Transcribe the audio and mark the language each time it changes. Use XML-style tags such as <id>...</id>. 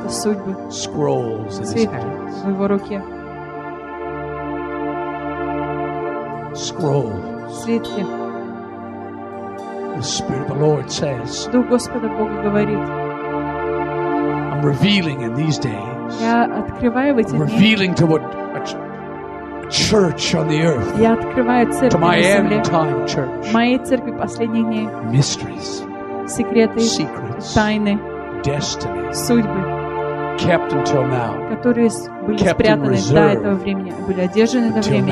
<ru>Это судьбы.</ru> <en>Scrolls in</en> <ru>свитки</ru> <en>his hands.</en> <ru>В его руке.</ru> <en>Scrolls.</en> <ru>Свитки.</ru> <en>The Spirit of the Lord says,</en> <ru>Дух Господа Бога говорит,</ru> <en>I'm revealing in these days.</en> <ru>Я открываю в эти дни.</ru> <en>Revealing to what a church on the earth.</en> <ru>Я открываю церковь на земле.</ru> <en>To my end time church.</en> <ru>Моей церкви последних дней.</ru> <en>Mysteries.</en> <ru>Секреты.</ru> <en>Secrets.</en> <ru>Тайны.</ru> <en>Destiny.</en> <ru>Судьбы.</ru> <en>Kept until now.</en> <ru>Которые были спрятаны до этого времени, были одержаны до времени.</ru>